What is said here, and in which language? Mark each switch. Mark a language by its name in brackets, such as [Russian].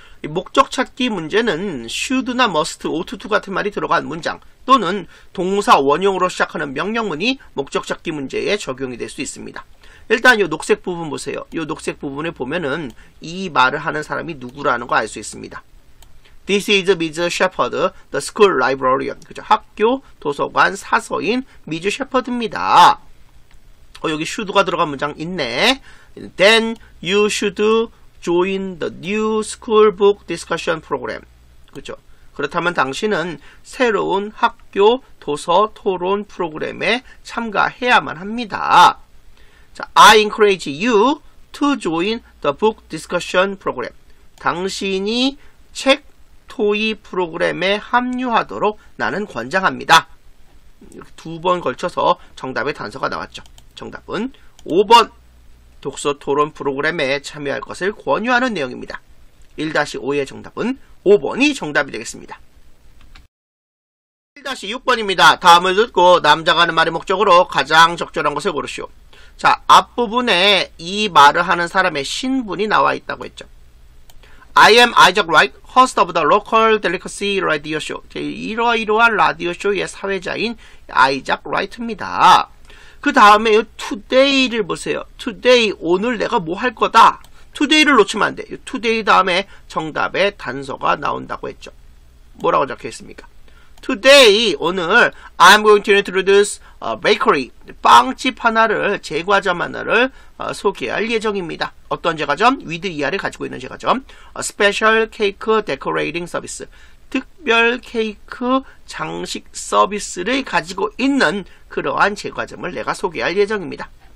[Korean] 목적 찾기 문제는 should나 must, ought to 같은 말이 들어간 문장 또는 동사 원형으로 시작하는 명령문이 목적 찾기 문제에 적용이 될 수 있습니다. 일단 이 녹색 부분 보세요. 이 녹색 부분을 보면은 이 말을 하는 사람이 누구라는 거 알 수 있습니다. [English] This is Ms. Shepherd, the school librarian. [Korean] 그죠? 학교, 도서관, 사서인 Ms. Shepherd입니다. 여기 should가 들어간 문장 있네. [English] Then you should join the new school book discussion program. [Korean] 그죠? 그렇다면 당신은 새로운 학교 도서 토론 프로그램에 참가해야만 합니다. 자, [English] I encourage you to join the book discussion program. [Korean] 당신이 책 토의 프로그램에 합류하도록 나는 권장합니다. 두 번 걸쳐서 정답의 단서가 나왔죠. 정답은 5번. 독서 토론 프로그램에 참여할 것을 권유하는 내용입니다. 1-5의 정답은 5번이 정답이 되겠습니다. 1-6번입니다. 다음을 듣고 남자가 하는 말의 목적으로 가장 적절한 것을 고르시오. 자, 앞부분에 이 말을 하는 사람의 신분이 나와 있다고 했죠. [English] I am Isaac Wright, host of the local delicacy radio show. [Korean] 이러이러한 라디오 쇼의 사회자인 Isaac Wright입니다. 그 다음에 today를 보세요. today, 오늘 내가 뭐 할 거다. today를 놓치면 안 돼. today 다음에 정답의 단서가 나온다고 했죠. 뭐라고 적혀있습니까? [English] today, [Korean] 오늘 [English] I'm going to introduce a bakery. [Korean] 빵집 하나를, 제과점 하나를 소개할 예정입니다. 어떤 제과점? with ER을 가지고 있는 제과점. [English] A special cake decorating service. [Korean] 특별 케이크 장식 서비스를 가지고 있는 그러한 제과점을 내가 소개할 예정입니다.